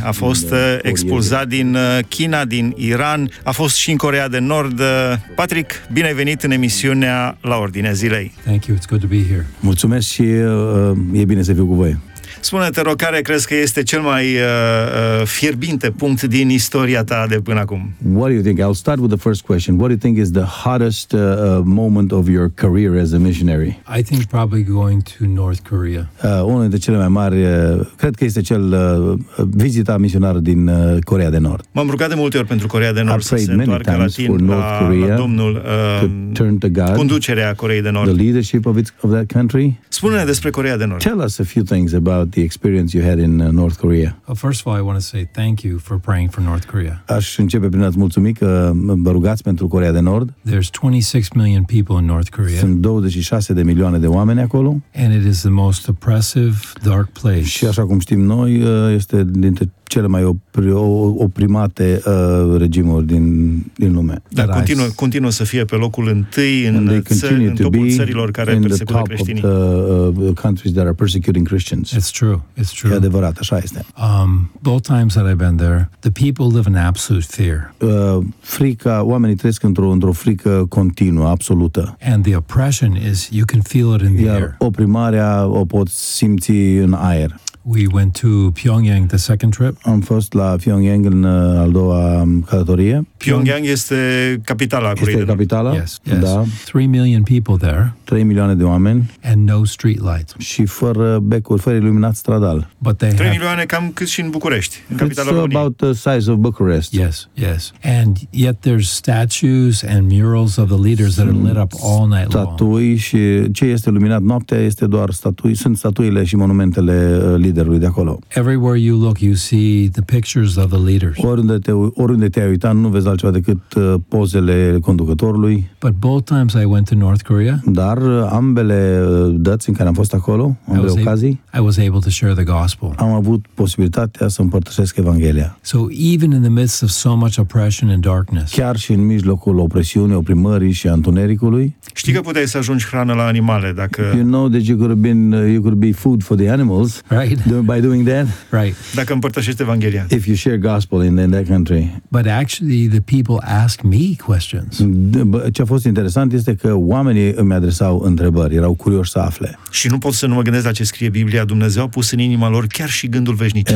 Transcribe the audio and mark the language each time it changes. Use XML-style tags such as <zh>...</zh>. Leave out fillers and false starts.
<ro>A fost expulzat din China, din Iran, a fost și în Coreea de Nord. Patrick, bine ai venit în emisiunea La Ordinea zilei.</ro> <en>Thank you. It's good to be here.</en> <ro>Mulțumesc și e bine să fiu cu voi. Spune-te, rog, care crezi că este cel mai fierbinte punct din istoria ta de până acum?</ro> <en>What do you think? I'll start with the first question. What do you think is the hottest moment of your career as a missionary? I think probably going to North Korea.</en> <ro>Unul dintre cele mai mari, cred că este cel vizita misionară din Coreea de Nord. M-am rugat de multe ori pentru Coreea de Nord să se întoarcă la tine, la domnul, conducerea Coreei de Nord.</ro> <en>The leadership of it, of that country.</en> <ro>Spune-ne despre Coreea de Nord.</ro> <en>Tell us a few things about the experience you had in North Korea. Well, first of all, I want to say thank you for praying for North Korea.</en> <ro>Aș începe prin a-ți mulțumi că vă rugați pentru Coreea de Nord.</ro> <en>There's 26 million people in North Korea.</en> <ro>Sunt 26 de milioane de oameni acolo.</ro> <en>And it is the most oppressive, dark place.</en> <ro>Și așa cum știm noi, este dintre cele mai oprimate regimuri din lume. Dar continuă să fie pe locul întâi în topul țărilor care persecută creștinii.</ro> <en>Countries that are persecuting Christians. It's true. It's true.</en> <ro>E adevărat, așa este.</ro> <en>Both times that I've been there, the people live in absolute fear.</en> <ro>Frica, oamenii trăiesc într-o frică continuă, absolută.</ro> <en>And the oppression is, you can feel it in the air.</en> <ro>Oprimarea o poți simți în aer.</ro> <en>We went to Pyongyang the second trip.</en> <ro>Am fost la Pyongyang în al doua călătorie. Pyongyang este capitala Coreei. Este capitala?</ro> <en>Yes, yes. Da. 3 million people there.</en> <ro>3 milioane de oameni.</ro> <en>And no street lights.</en> <ro>Și fără becuri, fără iluminat stradal.</ro> <en>But they</en> <ro>3 milioane cam cât și în București, capitala României.</ro> <en>It's about the size of Bucharest. Yes, yes. And yet there's statues and murals of the leaders that are lit up all night long.</en> <ro>Statui și ce este luminat noaptea este doar statui, sunt statuile și monumentele liderului de acolo.</ro> <en>Everywhere you look, you see the pictures of the leaders.</en> <ro>Oriunde te-ai uitat, nu vezi altceva decât pozele conducătorului.</ro> <en>But both times I went to North Korea.</en> <ro>Dar ambele dăți în care am fost acolo, ambele ocazii,</ro> <en>I was able to share the gospel.</en> <ro>Am avut posibilitatea să împărtășesc Evanghelia.</ro> <en>So even in the midst of so much oppression and darkness.</en> <ro>Chiar și în mijlocul opresiunii, oprimării și întunericului. Știi că puteai să ajungi hrană la animale dacă...</ro> <en>You know that you could be food for the animals. Right. By doing that? Right.</en> <ro>Dacă împărtășești Evanghelia.</ro> <en>If you share gospel in that country. But actually the people ask me questions.</en> <ro>Ce a fost interesant este că oamenii îmi adresau întrebări, erau curioși să afle. Și nu pot să nu mă gândesc la ce scrie Biblia. Dumnezeu a pus în inima lor chiar și gândul veșnicii.</ro>